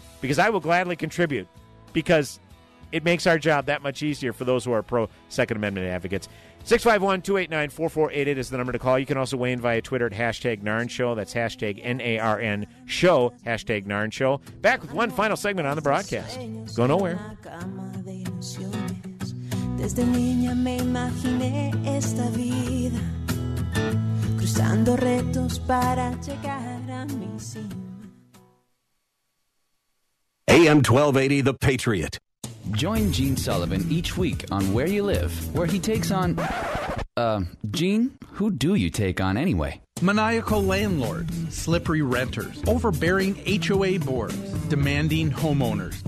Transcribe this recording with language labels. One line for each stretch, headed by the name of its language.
English: Because I will gladly contribute, because it makes our job that much easier for those who are pro-Second Amendment advocates. 651-289-4488 is the number to call. You can also weigh in via Twitter at hashtag Narn Show. That's hashtag N-A-R-N Show, hashtag Narn Show. Back with one final segment on the broadcast. Go nowhere.
Spanish: Desde niña me imaginé esta vida, cruzando retos para llegar a mi cima.
English: AM 1280, The Patriot. Join Gene Sullivan each week on Where You Live, where he takes on... Gene, who do you take on anyway? Maniacal landlords, slippery renters, overbearing HOA boards, demanding homeowners.